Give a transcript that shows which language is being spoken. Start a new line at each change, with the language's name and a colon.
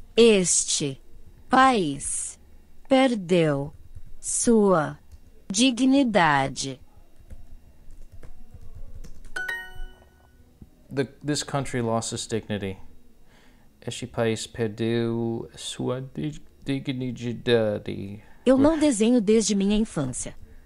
Portuguese: Este país perdeu sua dignidade.
English: This country lost its dignity.
Portuguese: Este país perdeu sua dignidade. Eu não desenho desde minha infância.